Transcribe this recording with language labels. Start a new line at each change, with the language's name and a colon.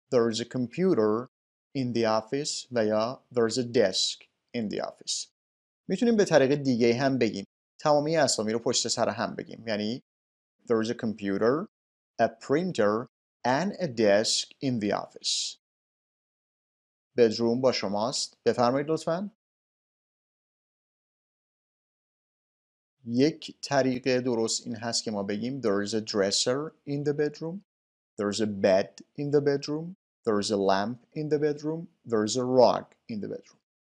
English: There is a computer in the office
Persian: و یا
English: there is a desk in the office.
Persian: میتونیم به طریق دیگه هم بگیم. تمامی اسامی رو پشت سر هم بگیم.
English: یعنی there is a computer, a printer and a desk in the office.
Persian: بدروم با شماست. بفرمایید لطفاً. یک طریق درست این هست که ما بگیم
English: there is a dresser in the bedroom, there is a bed in the bedroom, there is a lamp in the bedroom, there is a rug in the bedroom.